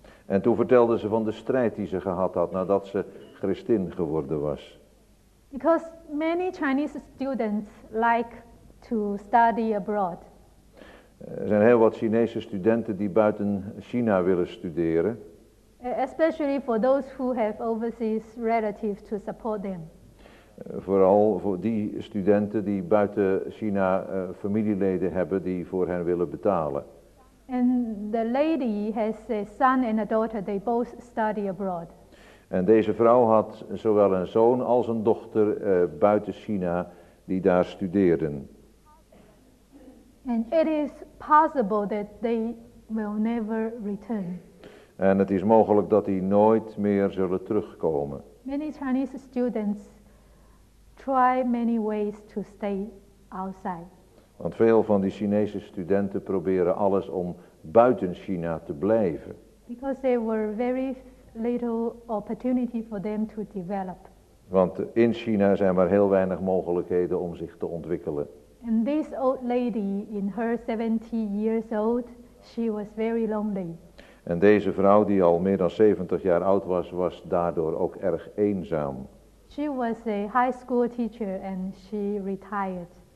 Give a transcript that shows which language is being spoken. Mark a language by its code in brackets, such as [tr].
[nl] En toen vertelde ze van de strijd die ze gehad had nadat ze christin geworden was. [en] Because many Chinese students like to study abroad. [nl] Er zijn heel wat Chinese studenten die buiten China willen studeren. [en] Especially for those who have overseas relatives to support them. [nl] Vooral voor die studenten die buiten China familieleden hebben die voor hen willen betalen. [en] And the lady has a son and a daughter, they both study abroad. [nl] En deze vrouw had zowel een zoon als een dochter buiten China die daar studeerden. [en] And it is possible that they will never return. [nl] En het is mogelijk dat die nooit meer zullen terugkomen. [en] Many Chinese students try many ways to stay outside. [nl] Want veel van die Chinese studenten proberen alles om buiten China te blijven. [en] Because there were very little opportunity for them to develop. [nl] Want in China zijn maar heel weinig mogelijkheden om zich te ontwikkelen. [en] And this old lady in her 70 years old, She was very lonely. [nl] En deze vrouw, die al meer dan 70 jaar oud was, was daardoor ook erg eenzaam. [en] She was a high school teacher and she retired.